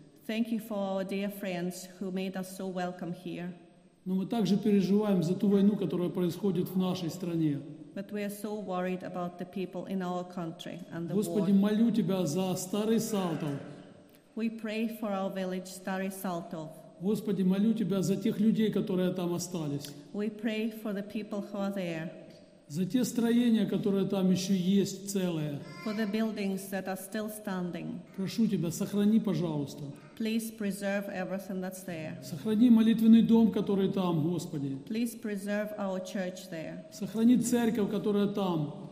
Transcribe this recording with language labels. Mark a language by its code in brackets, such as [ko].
[en] Thank you for our dear friends who made us so welcome here. [ru] Но мы также переживаем за ту войну, которая происходит в нашей стране. [en] But we are so worried about the people in our country and the [ru] Господи, [en] war. [ru] Молю тебя за Старый Салтов. [en] We pray for our village Stary Saltov. [ru] Господи, молю тебя за тех людей, которые там остались. [en] We pray for the people who are there. [ru] За те строения, которые там еще есть целые. [en] For the buildings that are still standing. [ru] Прошу тебя, сохрани, пожалуйста. [en] Please preserve everything that's there. [ru] Сохрани молитвенный дом, который там, Господи. [en] Please preserve our church there. [ru] Сохрани церковь, которая там.